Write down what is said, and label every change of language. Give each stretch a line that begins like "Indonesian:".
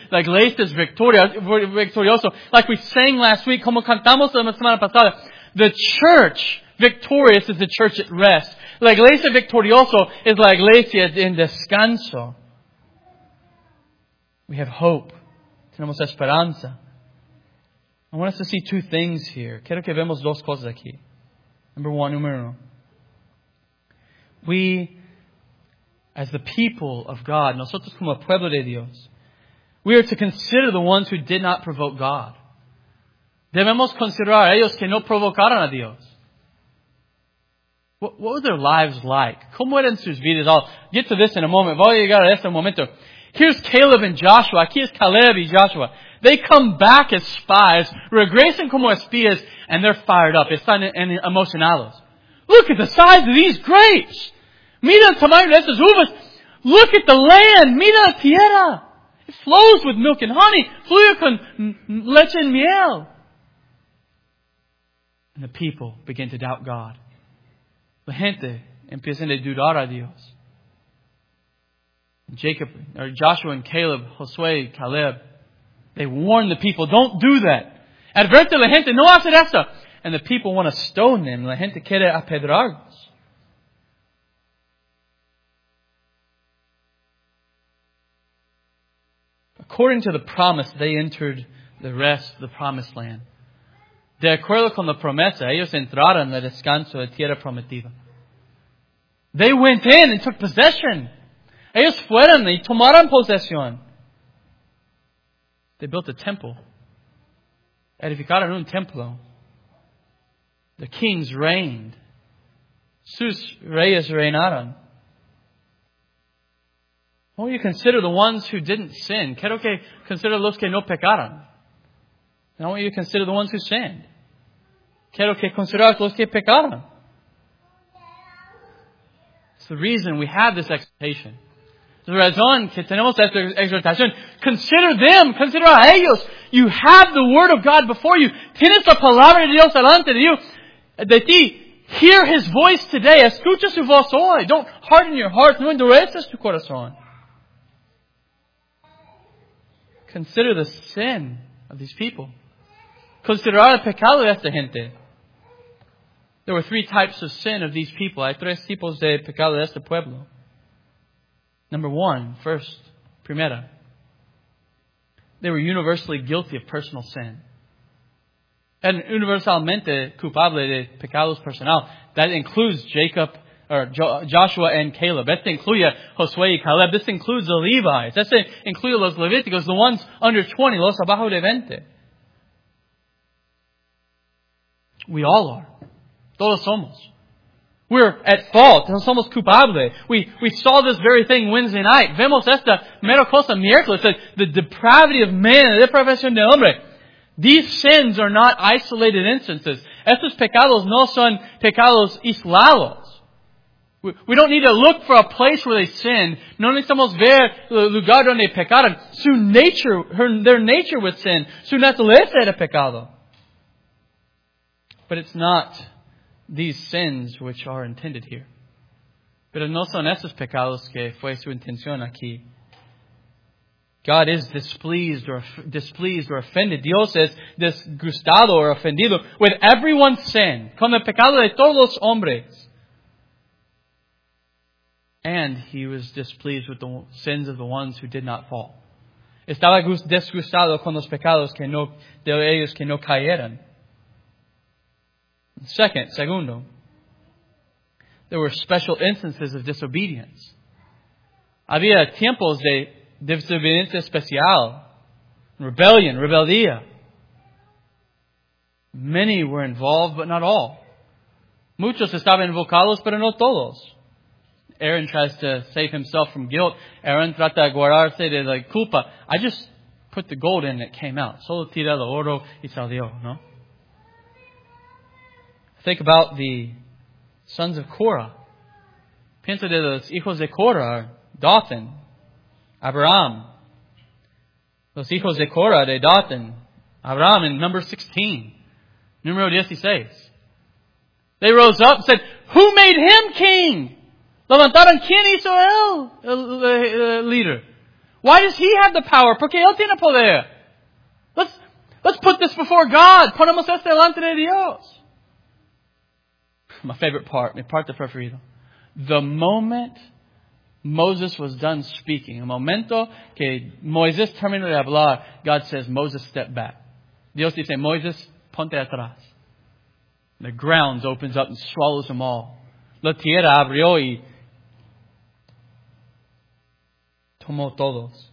Spanish: La iglesia es victoriosa.
English: Like we sang last week,
Spanish: como cantamos la semana pasada.
English: The church victorious is the church at rest.
Spanish: La iglesia victoriosa is la iglesia en descanso.
English: We have hope.
Spanish: Tenemos esperanza.
English: I want us to see two things here.
Spanish: Quiero que vemos dos cosas aquí.
English: Number one,
Spanish: numero uno.
English: We, as the people of God,
Spanish: nosotros como pueblo de Dios,
English: we are to consider the ones who did not provoke God.
Spanish: Debemos considerar ellos que no provocaron a Dios.
English: What were their lives like?
Spanish: ¿Cómo eran sus vidas?
English: I'll get to this in a moment.
Spanish: Voy a llegar a este momento.
English: Here's Caleb and Joshua.
Spanish: Aquí es Caleb y Joshua.
English: They come back as spies,
Spanish: regresan como espías,
English: and they're fired up.
Spanish: Están emocionados.
English: Look at the size of these grapes.
Spanish: Mira el tamaño de estas uvas.
English: Look at the land.
Spanish: Mira la tierra.
English: It flows with milk and honey.
Spanish: Fluye con leche y miel.
English: And the people begin to doubt God.
Spanish: La gente empieza a dudar a Dios.
English: Jacob, or Joshua and Caleb, Josué, Caleb, they warn the people, don't do that.
Spanish: Adverte la gente, no hacer eso.
English: And the people want to stone them.
Spanish: La gente quiere apedrarlos.
English: According to the promise, they entered the rest of the promised land.
Spanish: De acuerdo con la promesa, ellos entraron en el descanso de tierra prometida.
English: They went in and took possession.
Spanish: Ellos fueron y tomaron posesión.
English: They built a temple.
Spanish: Edificaron un templo.
English: The kings reigned.
Spanish: Sus reyes reinaron.
English: What do you consider the ones who didn't sin?
Spanish: Quiero que consider los que no pecaron.
English: And I want you to consider the ones who sinned.
Spanish: Quiero que consider los que pecaron.
English: It's the reason we have this expectation. The reason
Spanish: que tenemos esta exhortación.
English: Consider them. Consider
Spanish: a ellos.
English: You have the word of God before you.
Spanish: Tienes la palabra de Dios delante de you. De ti.
English: Hear his voice today.
Spanish: Escucha su voz hoy.
English: Don't harden your heart.
Spanish: No endureces tu corazón.
English: Consider the sin of these people.
Spanish: Consider el pecado de esta gente.
English: There were three types of sin of these people.
Spanish: Hay tres tipos de pecado de este pueblo.
English: Number one, first, primera. They were universally guilty of personal sin. And
Spanish: universalmente culpable de pecados personal.
English: That includes Jacob, or Joshua and Caleb. That includes Josué y Caleb. This includes the Levites. That includes
Spanish: los Levíticos,
English: the ones under 20,
Spanish: los abajo de 20.
English: We all are.
Spanish: Todos somos.
English: We're at fault.
Spanish: No somos culpables.
English: We saw this very thing Wednesday night.
Spanish: Vemos esta mera cosa miércoles.
English: The depravity of man,
Spanish: la depravación del hombre.
English: These sins are not isolated instances.
Spanish: Estos pecados no son pecados aislados.
English: We don't need to look for a place where they sinned.
Spanish: No necesitamos ver el lugar donde pecaron.
English: Su nature, their nature was sin.
Spanish: Su naturaleza era pecado.
English: But it's not these sins which are intended here.
Spanish: Pero no son esos pecados que fue su intención aquí.
English: God is displeased or offended.
Spanish: Dios es disgustado or ofendido
English: with everyone's sin.
Spanish: Con el pecado de todos los hombres.
English: And he was displeased with the sins of the ones who did not fall.
Spanish: Estaba disgustado con los pecados que no, de ellos que no cayeron.
English: Segundo, there were special instances of disobedience.
Spanish: Había tiempos de desobediencia especial.
English: Rebellion, rebeldía. Many were involved, but not all.
Spanish: Muchos estaban involucrados, pero no todos.
English: Aaron tries to save himself from guilt.
Spanish: Aaron trata de guardarse de la culpa.
English: I just put the gold in and it came out.
Spanish: Solo tiré el oro y salió, ¿no?
English: Think about the sons of Korah.
Spanish: Piensa de los hijos de Korah, Dothan, Abraham. Los hijos de Korah, de Dothan, Abraham
English: in number 16.
Spanish: Número 16.
English: They rose up and said, "Who made him king?"
Spanish: Levantaron, ¿quién hizo él el líder?
English: Why does he have the power?
Spanish: Porque él tiene poder.
English: Let's put this before God.
Spanish: Ponemos esto delante de Dios.
English: My favorite part,
Spanish: mi parte preferida.
English: The moment Moses was done speaking,
Spanish: el momento que Moisés terminó de hablar,
English: God says, Moses, step back.
Spanish: Dios dice, Moisés, ponte atrás.
English: The ground opens up and swallows them all.
Spanish: La tierra abrió y tomó todos.